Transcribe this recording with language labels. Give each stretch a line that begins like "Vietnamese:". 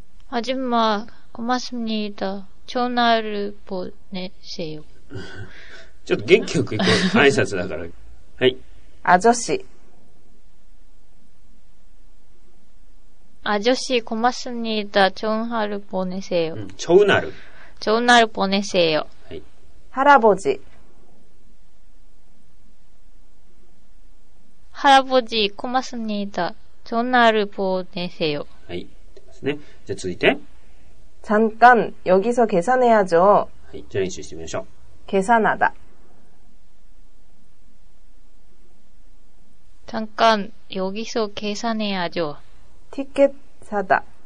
Korean: 아줌마고맙습니다전화를보내세요
Japanese: ちょっと元気よく行こう挨拶だからはい
Korean: 아저씨 아저씨고맙습니다전화를보내세요 전화를 전화를보내세요
Japanese: はい
Korean: 할아버지 할아버지고맙습니다전화를보내세요
Japanese: はいね、じゃあ続いて
Korean: 잠깐여기서계산해야죠。
Japanese: はい、じゃあ練習してみましょう。
Korean: 계산하다 잠깐여기서계산해야죠。 티켓사다